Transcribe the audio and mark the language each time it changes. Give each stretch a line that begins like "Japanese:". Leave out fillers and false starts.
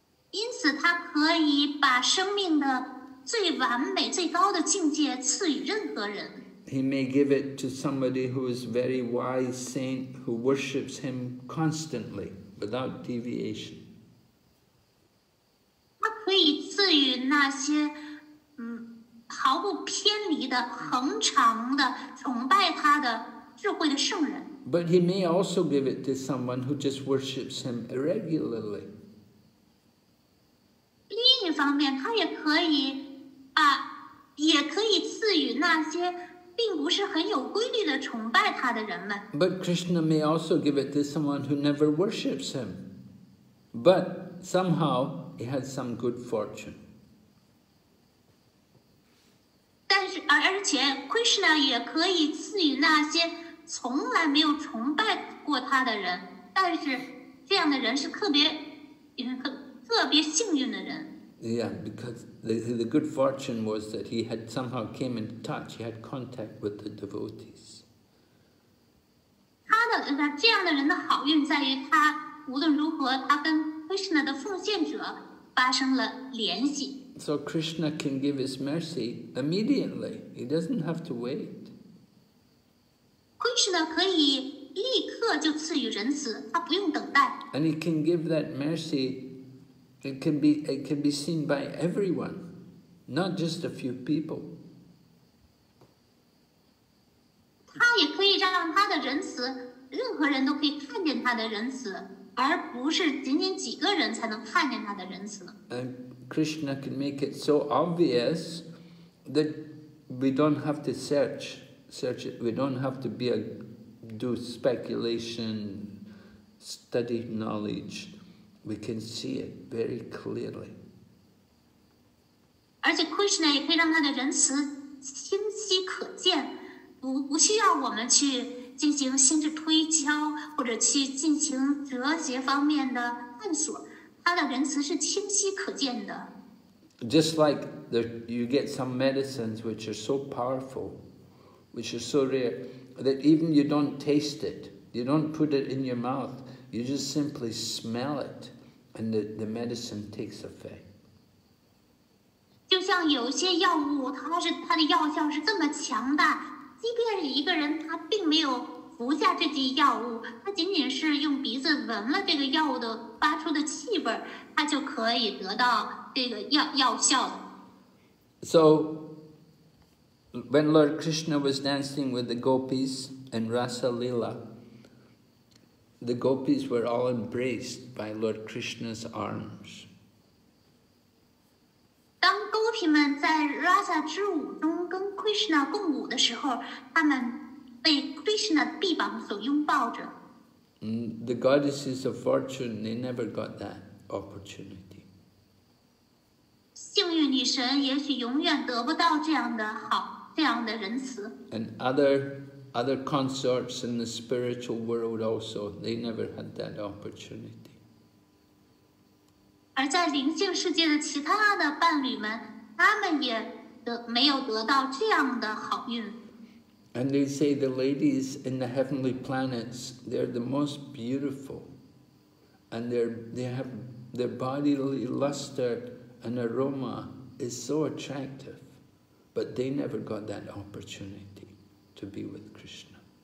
Chinese: 因此他可以把生命的最完美、最高的境界赐予任何人。
English: He may give it to somebody who is very wise, saint, who worships him constantly, without deviation.
Chinese: 他可以赐予那些毫不偏离的、恒常的崇拜他的智慧的圣人。
English: But he may also give it to someone who just worships him irregularly.
Chinese: 另一方面，他也可以把，也可以赐予那些并不是很有规律的崇拜他的人们。
English: But Krishna may also give it to someone who never worships him, but somehow he has some good fortune.
Chinese: 而且 Krishna 也可以赐予那些从来没有崇拜过他的人，但是这样的人是特别幸运的人。
English: Yeah, because the good fortune was that he had somehow came in touch, he had contact with the devotees.
Chinese: 这样的人的好运在于他无论如何，他跟 Krishna 的奉献者发生了联系。
English: So Krishna can give his mercy immediately. He doesn't have to wait.
Chinese: Krishna 可以立刻就赐予仁慈，他不用等待。
English: And he can give that mercy. It can be seen by everyone, not just a few people.
Chinese: 他也可以让他的仁慈，任何人都可以看见他的仁慈，而不是仅仅几个人才能看见他的仁慈。
English: Krishna can make it so obvious that we don't have to search it. We don't have to do speculation, study knowledge. We can see it very clearly.
Chinese: 而且 Krishna 也可以让他的仁慈清晰可见，不需要我们去进行心智推敲或者去进行哲学方面的探索。他的仁慈是清晰可见的。
English: Just like you get some medicines which are so powerful, which are so rare, that even you don't taste it, you don't put it in your mouth, you just simply smell it, and the medicine takes effect.
Chinese: 就像有些药物，它的药效是这么强大，即便是一个人他并没有服下这剂药物，他仅仅是用鼻子闻了这个药物的发出的气味，他就可以得到。
English: So, when Lord Krishna was dancing with the gopis in Rasa Lila, the gopis were all embraced by Lord Krishna's arms.
Chinese: 当 gopi 们在 Rasa 之舞中跟 Krishna 共舞的时候，他们被 Krishna 臂膀所拥抱着。
English: The goddesses of fortune, they never got that opportunity.
Chinese: 幸运女神也许永远得不到这样的好，这样的仁慈。
English: And other consorts in the spiritual world also, they never had that opportunity.
Chinese: 而在灵性世界的其他的伴侣们，他们也没有得到这样的好运。
English: And they say the ladies in the heavenly planets, they're the most beautiful, and they have their bodily luster and aroma is so attractive, but they never got that opportunity to be with Krishna.